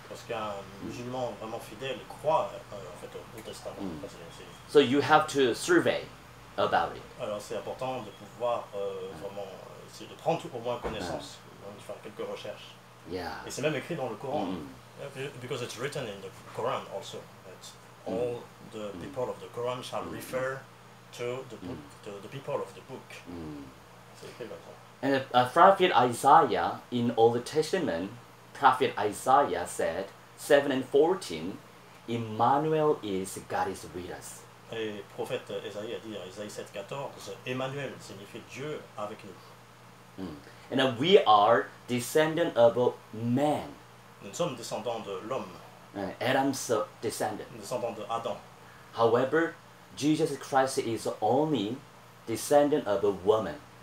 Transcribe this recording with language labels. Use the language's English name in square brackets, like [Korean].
[French] Parce qu'un musulman vraiment fidèle croit en fait au Testament. [English] So you have to survey about it. [French] Alors c'est important de pouvoir vraiment essayer de prendre au moins connaissance, de faire quelques recherches. [English] Yeah. [French] Et c'est même écrit dans le Coran. [English] Because it's written in the Quran also that all the people of the Quran shall refer to the book, to the people of the book. And Prophet Isaiah in Old Testament, Prophet Isaiah said, 7:14, Emmanuel is God is with us. [French] Et prophète Isaïe a dit dans Isaïe 7:14, Emmanuel signifie Dieu avec nous. [English] And we are descendant of man. [French] Nous sommes descendants de l'homme. [English] Adam's descendant. [French] Descendant de Adam. [English] However, Jesus Christ is only descendant of a woman.